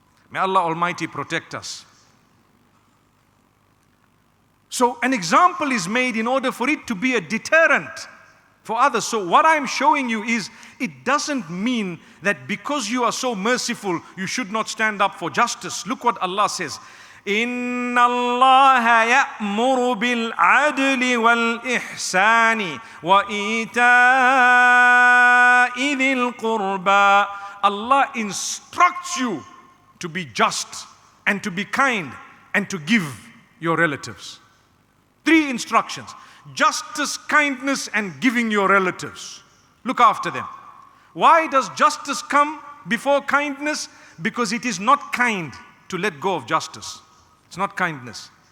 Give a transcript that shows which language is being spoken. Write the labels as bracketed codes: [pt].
[en] May Allah Almighty protect us. So an example is made in order for it to be a deterrent for others. So what I'm showing you is, it doesn't mean that because you are so merciful, you should not stand up for justice. Look what Allah says. [ar] إن الله يأمر بالعدل والإحسان وإيتاء ذي القربى. [en] Allah instructs you to be just and to be kind and to give your relatives. Three instructions: justice, kindness, and giving your relatives. Look after them. Why does justice come before kindness? Because it is not kind to let go of justice. It's not kindness.